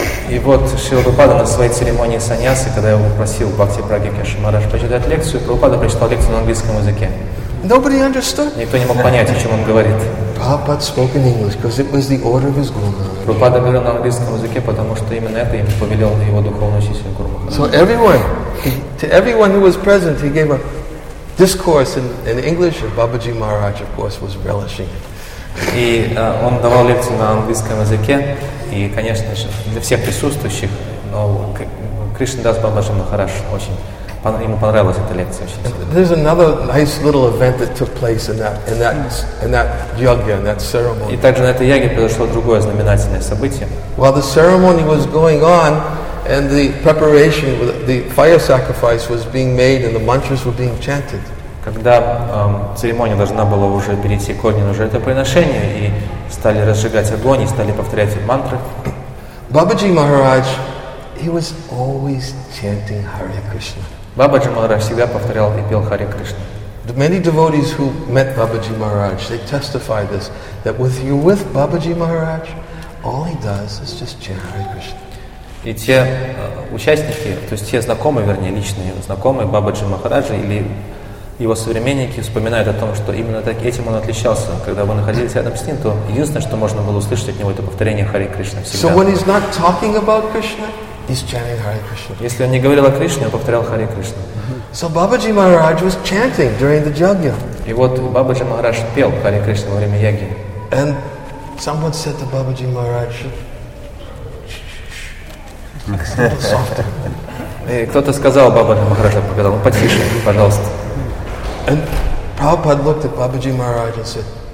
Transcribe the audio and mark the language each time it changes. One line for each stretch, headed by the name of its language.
Russian: И вот Шрила Прабхупада на своей церемонии саньясы, когда я его попросил Бхакти Праги Кешава Махарадж прочитать лекцию, Прабхупада прочитал лекцию на английском языке.
English: Nobody understood.
Russian: Никто не мог понять, о чем он говорит.
English: Prabhupada spoke in English, because it was the order of his guru.
Russian: Прабхупада говорил на английском языке, потому что именно это ему повелел его духовный учитель Гуру Махарадж.
English: So everyone, to everyone who was present, he gave a discourse in English, and Бабаджи Махарадж, of course, was relishing it.
Russian: И он давал лекцию на английском языке, и, конечно же, для всех присутствующих, но Кришна Дас Бабаджи Махарадж очень, ему понравилась эта лекция.
English: There's another nice little event that took place in that yagya, in that ceremony.
Russian: И также на этой яге произошло другое знаменательное событие.
English: While the ceremony was going on, and the preparation, the fire sacrifice was being made, and the mantras were being chanted.
Russian: Когда церемония должна была уже перейти к огненному жертвоприношению, и стали разжигать огонь, и стали повторять мантры.
English: Бабаджи Махарадж, he was always chanting Hare Krishna.
Russian: Бабаджи Махарадж всегда повторял и пел Харе Кришна.
English: The many devotees who met Бабаджи Махарадж, they testify this, that with you with Бабаджи Махарадж, all he does is just chant Hare Krishna.
Russian: И те участники, то есть те знакомые, вернее, личные знакомые Бабаджи Махараджа или его современники вспоминают о том, что именно так этим он отличался. Когда вы находились рядом с ним, то единственное, что можно было услышать от него, это повторение Харе Кришна всегда.
English: So when he's not talking about Krishna, he's chanting Hare Krishna.
Russian: Если он не говорил о Кришне, он повторял Харе Кришна.
English: So Бабаджи Махарадж was chanting during the yajna.
Russian: И вот Бабаджи Махарадж пел Харе Кришна во время яги.
English: And someone said to Бабаджи Махарадж,
Russian: и кто-то сказал Бабаджи Махараджу, ну потише, пожалуйста.
English: And Prabhupada looked at Бабаджи Махарадж and said,